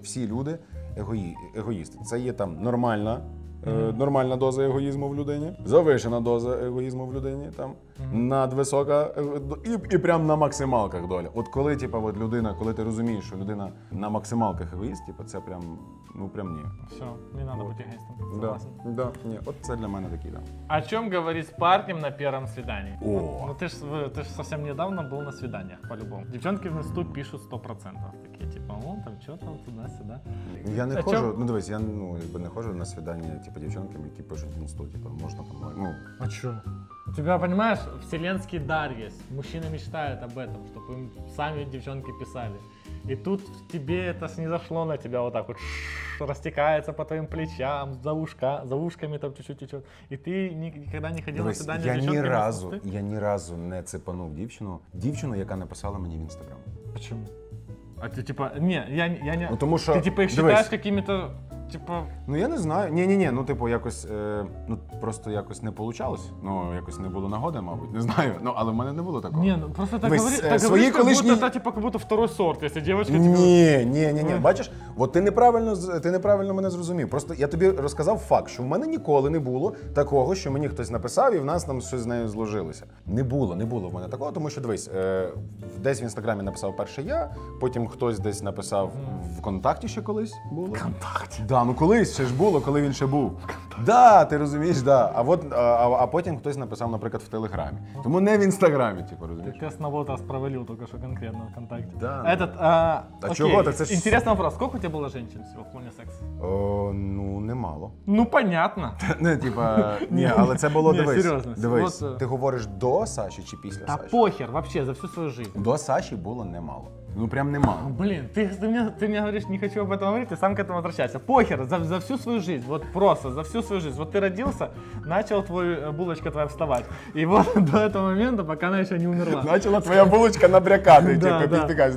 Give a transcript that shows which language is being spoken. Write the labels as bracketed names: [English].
[Ukrainian] Всі люди егоїсти. Це є там нормальна, нормальна доза егоїзму в людині, завишена доза егоїзму в людині, там, надвисока і прям на максималках доля. От коли, типа, от людина, коли ти розумієш, що людина на максималках егоїст, типа, це прям, ну, прям ні. Все, не треба бути егоїстом, согласен. Да, ні, от це для мене такий, да. [Russian] О чем говорить с парнем на первом свидании? О! [Ukrainian] Ну, ти ж совсем недавно був на свиданнях, по-любому. Дівчонки в листу пишуть 100%. Такі, типа, о, там, чо там, туда-сюда. Я не хожу, ну, дивись, я, ну, якби не хожу на свидання, типа, дівчонкам, які пишуть в листу, типа, можна помогти, ну. [Russian] А чо? У тебя, понимаешь, вселенский дар есть. Мужчины мечтают об этом, чтобы им сами девчонки писали. И тут тебе это снизошло на тебя вот так вот. Растекается по твоим плечам, за ушками там чуть-чуть течет. И ты никогда не ходил на свидание с девчонками. Я ни разу не цепанул девчину. Девчину, яка написала мне в Инстаграм. Почему? А ты типа, не, я не... Ну, потому что... Ты типа их считаешь какими-то... Типа... [Ukrainian] Ну я не знаю, ні, ну типу якось, ну просто якось не получалось, ну якось не було нагоди, мабуть, не знаю, ну але в мене не було такого. Ні, ну просто так говориш, [Russian] как будто второй сорт, [Ukrainian] якщо дівчинка. Ні, бачиш, от ти неправильно мене зрозумів, просто я тобі розказав факт, що в мене ніколи не було такого, що мені хтось написав і в нас там щось з нею зложилося. Не було в мене такого, тому що дивись, десь в Інстаграмі написав перше я, потім хтось десь написав в ВКонтакті ще колись було. ВКонтакті? Да, ну колись ще ж було, коли він ще був. Да, ти розумієш, да. А потім хтось написав, наприклад, в Телеграмі. Тому не в Інстаграмі, типу, розумієш. Ти знову раз провалив тільки що конкретно в ВКонтакті. Да. [Russian] Этот, [Ukrainian] а чого? Так це ж... Інтересний вопрос. Скільки у тебе було жінок всього в плані сексу? Ну, немало. [Russian] Ну, понятно. [Ukrainian] Не, типа, ні, але це було, дивись. Не, серйозно. Дивись, ти говориш до Саші чи після Саші? Та похер, взагалі, за всю свою життя. До Саші було немало. Ну прям нема. [Russian] А, блин, ты мне говоришь, не хочу об этом говорить, я сам к этому возвращаюсь. Похер, за всю свою жизнь, вот просто за всю свою жизнь. Вот ты родился, начал твой булочка твоя вставать. И вот до этого момента, пока она еще не умерла. Начала твоя булочка набрякать, типа, пиздикать,